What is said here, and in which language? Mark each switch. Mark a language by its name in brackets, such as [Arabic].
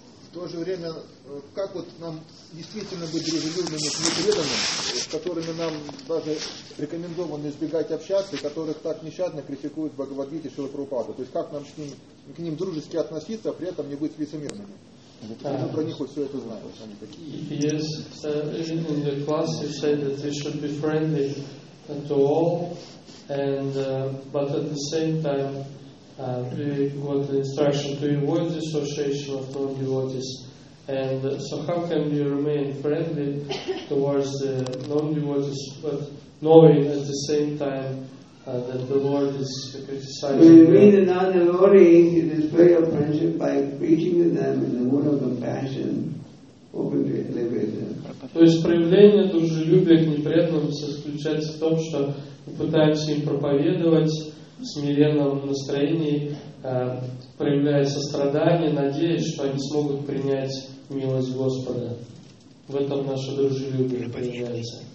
[Russian] В то же время, как вот нам действительно быть дружелюбными к непреданным, с которыми нам даже рекомендовано избегать общаться, и которых так нещадно критикуют Бхагавадгиту и Шрилу Прабхупаду? То есть как нам к ним дружески относиться, а при этом не быть лицемерными? [English] Yes, in the class you said that we should be friendly to all, and but at the same time we got an instruction to avoid the association of non-devotees. And so how can we remain friendly towards the non-devotees, but knowing at the same time that the Lord is criticizing. When you meet the non-devotees, you display your friendship by preaching to them in the word of compassion, open to liberation. [Russian] То есть проявление дружелюбия к непреданным заключается в том, что мы пытаемся им проповедовать в смиренном настроении, проявляя сострадание, надеясь, что они смогут принять милость Господа. В этом наше дружелюбие проявляется.